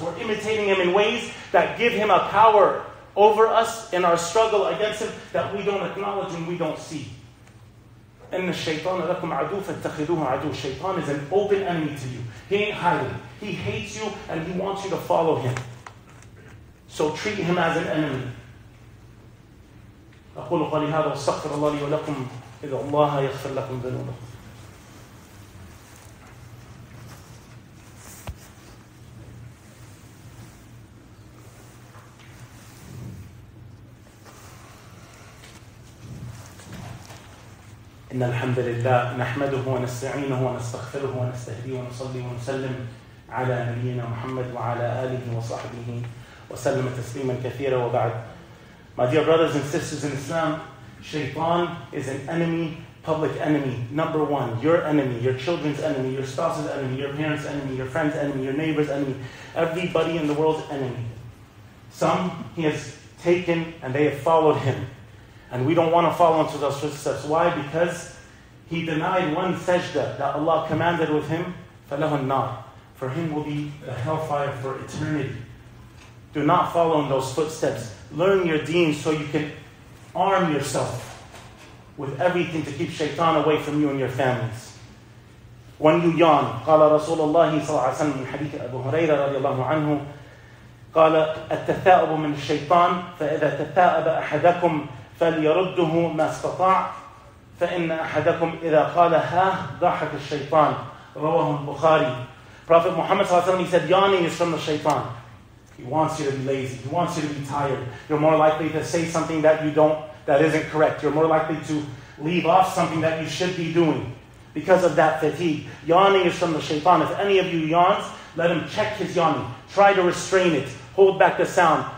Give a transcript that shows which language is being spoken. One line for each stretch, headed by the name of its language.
English: We're imitating him in ways that give him a power over us in our struggle against him that we don't acknowledge and we don't see.
Arabic: إِنَّ الشَّيْطَانَ لَكُمْ عَدُوٌ فَاتَّخِذُوهُ عَدُوٌ.
English: Shaytan is an open enemy to you. He ain't hiding. He hates you and he wants you to follow him. So treat him as an enemy.
Arabic: أَقُولُ قَلِي هَذَا وَاسْتَغْفِرَ اللَّهِ وَلَكُمْ إذا الله يغفر لكم ذنوبكم. إن الحمد لله نحمده ونستعينه ونستغفره ونستهديه ونصلي ونسلم على نبينا محمد وعلى آله وصحبه وسلم تسليما كثيرا وبعد.
English: My dear brothers and sisters in Islam, Shaytan is an enemy, public enemy. Number one, your enemy, your children's enemy, your spouse's enemy, your parents' enemy, your friend's enemy, your neighbor's enemy, everybody in the world's enemy. Some he has taken and they have followed him. And we don't want to follow into those footsteps. Why? Because he denied one sajda that Allah commanded with him.
Arabic: فَلَهُ النَّارِ.
English: For him will be the hellfire for eternity. Do not follow in those footsteps. Learn your deen so you can arm yourself with everything to keep Shaytan away from you and your families. When you yawn,
Arabic: قال رسول الله صلى الله عليه وسلم من حديث أبو هريرة رضي الله عنه قال التثاؤب من الشيطان فإذا تثاؤب أحدكم فليرده ما استطاع فإن أحدكم إذا قال ها ضحك الشيطان رواه البخاري.
English: Prophet Muhammad
Arabic: صلى الله عليه وسلم,
English: he said, yawning is from the Shaytan. He wants you to be lazy. He wants you to be tired. You're more likely to say something that you don't, that isn't correct. You're more likely to leave off something that you should be doing because of that fatigue. Yawning is from the Shaytan. If any of you yawns, let him check his yawning. Try to restrain it. Hold back the sound.